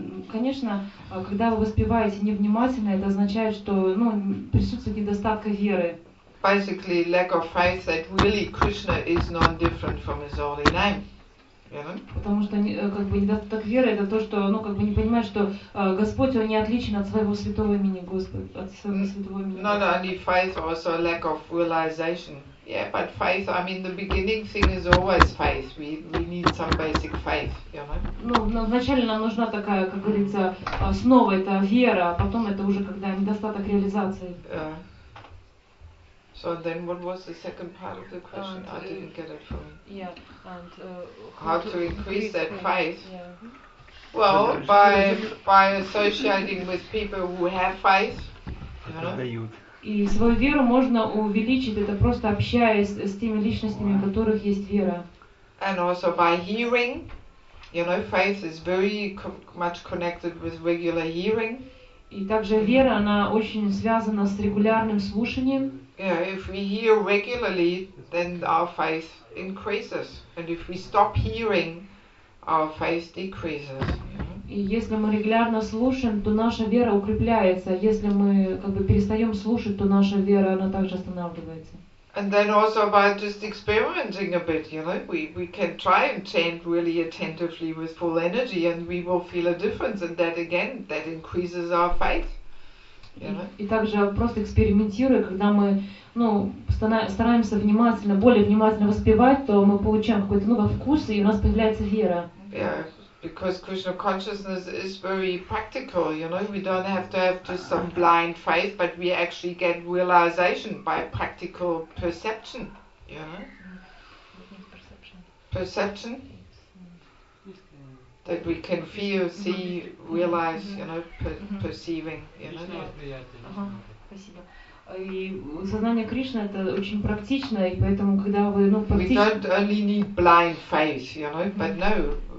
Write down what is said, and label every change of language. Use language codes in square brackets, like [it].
[ru] Конечно, когда вы воспеваете невнимательно, это означает, что присутствует недостатка веры. [en] Basically, lack of faith that really Krishna is no different from his holy name. [ru] Потому что недостаток веры это то, что не понимает, что Господь он не отличен от своего святого имени Господь, от своего святого имени. [en] Not only faith, also lack of realization. Yeah, but faith, I mean, the beginning thing is always faith. We need some basic faith, you know? [ru] Ну, вначале нам нужна такая, как говорится, основа, это вера, а потом это уже когда недостаток реализации. [en] So then what was the second part of the question? And I didn't get it from you. Yeah, and how to increase that faith? Yeah. Well, by associating with people who have faith, you know? [ru] И свою веру можно увеличить, это просто общаясь с теми личностями, у которых есть вера. [en] And also by hearing, you know, faith is very much connected with regular hearing. [ru] И также вера, она очень связана с регулярным слушанием. [en] Yeah, if we hear regularly, then our faith increases. And if we stop hearing, our faith decreases. [ru] И если мы регулярно слушаем, то наша вера укрепляется. Если мы перестаем слушать, то наша вера она также останавливается. [en] And then also by just experimenting a bit, you know, we can try and chant really attentively with full energy, and we will feel a difference, and that again that increases our faith. [ru] И также просто экспериментируя, когда мы стараемся внимательно, более внимательно воспевать, то мы получаем какой-то вкус, и у нас появляется вера. [en] Because Krishna consciousness is very practical, you know, we don't have to have just some blind faith, but we actually get realization by practical perception, you know. Perception? That we can feel, see, realize, you know, perceiving, you know. [ru] И сознание Кришны это очень практично, и поэтому когда вы практично. [en] We don't only need blind faith, you know, but no.